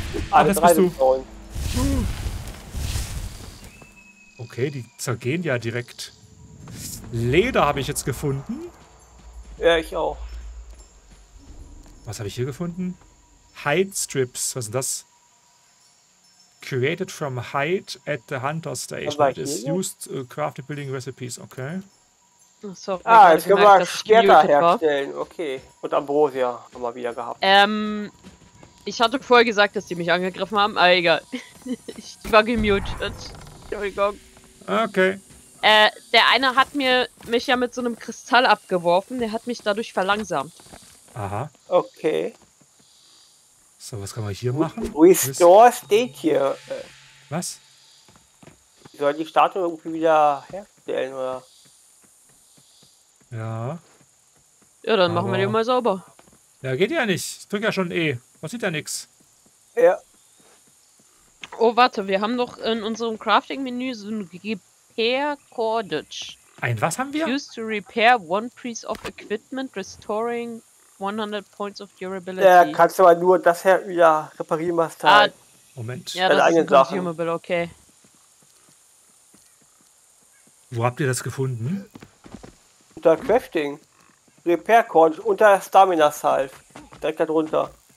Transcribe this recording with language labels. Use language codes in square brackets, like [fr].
[de] Alles bist du. Down. Okay, die zergehen ja direkt. Leder habe ich jetzt gefunden. Ja, ich auch. Was habe ich hier gefunden? Hide Strips. Was ist das? [en] Created from Hide at the Hunter Stage. It is used crafted building recipes. [de] Okay. Sorry, ah, jetzt können wir Schwerter herstellen. Okay. Und Ambrosia haben wir wieder gehabt. Ich hatte vorher gesagt, dass die mich angegriffen haben. Aber egal. Ich war gemutet. Entschuldigung. Okay. Der eine hat mich ja mit so einem Kristall abgeworfen. Der hat mich dadurch verlangsamt. Aha. Okay. So, was kann man hier machen? Restore steht hier. Was? Soll die Statue irgendwie wieder herstellen, oder? Ja. Ja, dann machen wir die mal sauber. Ja, geht ja nicht. Ich drück ja schon E. Man sieht ja nichts. Ja. Oh, warte. Wir haben doch in unserem Crafting-Menü so ein Repair Cordage. Ein was haben wir? [en] Used to repair one piece of equipment, restoring 100 points of durability. [de] Ja, kannst du aber nur das her wieder reparieren, was da. Moment. Ja, das ist consumable, okay. Wo habt ihr das gefunden? Unter Crafting. Repair Cordage, unter Stamina Salve. Direkt da drunter.